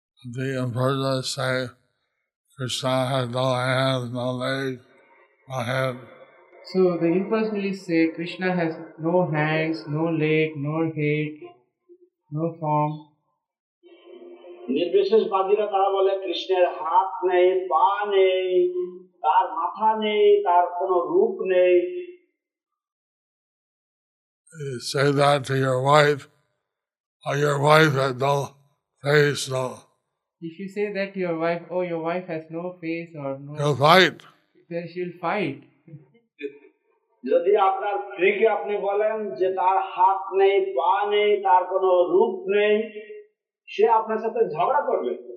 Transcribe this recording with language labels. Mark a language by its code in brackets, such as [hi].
[en] The impersonalists say Krishna has no hands, no legs, no head. So the impersonalists say Krishna has no hands, no leg, no head, no form. [bn] নির্বিশেষবাদীরা তারা বলে কৃষ্ণের হাত নেই, পা নেই, তার মাথা নেই, তার কোন রূপ নেই। [en] Say that to your wife, or your wife has no face, no. If you say that to your wife, oh, your wife has no face or no. She'll fight. Then she'll fight. [bn] যদি আপনার স্ত্রীকে আপনি বলেন যে তার হাত নেই, পা নেই, তার কোন রূপ নেই, সে আপনার সাথে ঝগড়া করবে।